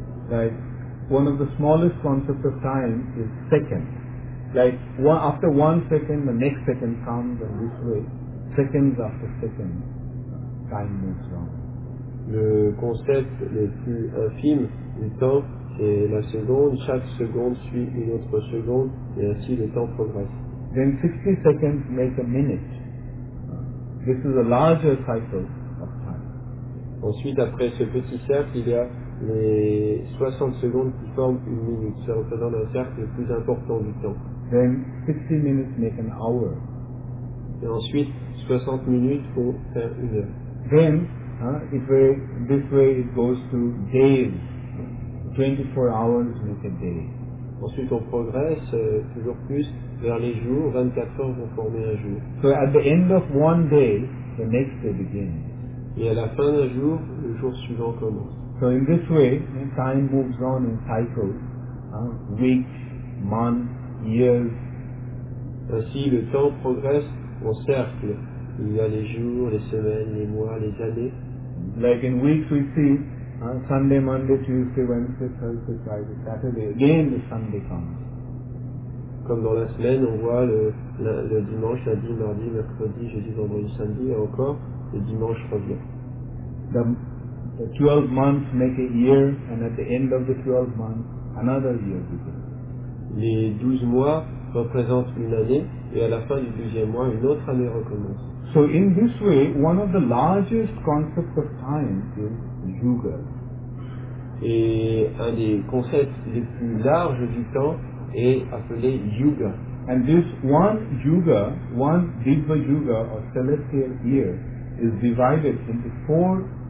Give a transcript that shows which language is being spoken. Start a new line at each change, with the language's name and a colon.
English: Like, one of the smallest concepts of time is second. Like, one, after 1 second, the next second comes, and this way, seconds after seconds, time moves on.
French: Le concept le plus infime du temps, c'est la seconde. Chaque seconde suit une autre seconde, et ainsi le temps progresse.
English: Then 60 seconds make a minute. This is a larger cycle of time.
French: Ensuite, après ce petit cercle, il y a les 60 secondes qui forment une minute, ça représente un cercle le plus important du temps.
English: Then 60 minutes make an hour.
French: Et ensuite, 60 minutes font faire une heure.
English: Then, this way it goes to days. 24 hours make a day.
French: Ensuite, on progresse toujours plus vers les jours. 24 heures vont former un jour.
English: So at the end of one day, the next day begins.
French: Et à la fin d'un jour, le jour suivant commence.
English: So in this way, time moves on in cycles, weeks, months, years.
French: Ainsi, le temps progresse en cercle. Il y a les jours, les semaines, les mois, les années.
English: Like in weeks we see, Sunday, Monday, Tuesday, Wednesday, Thursday, Friday, Saturday, again the Sunday comes.
French: Comme dans la semaine, on voit le dimanche, lundi, mardi, mercredi, jeudi, vendredi, samedi, et encore, le dimanche revient.
English: The 12 months make a year, and at the end of the 12 months, another year begins.
French: Les 12 mois représentent une année, et à la fin du 12e mois, une autre année recommence.
English: So in this way, one of the largest concepts of time is yoga.
French: Et un des concepts les plus larges du temps est appelé yoga.
English: And this one yoga, one Diva yoga or celestial year, is divided into four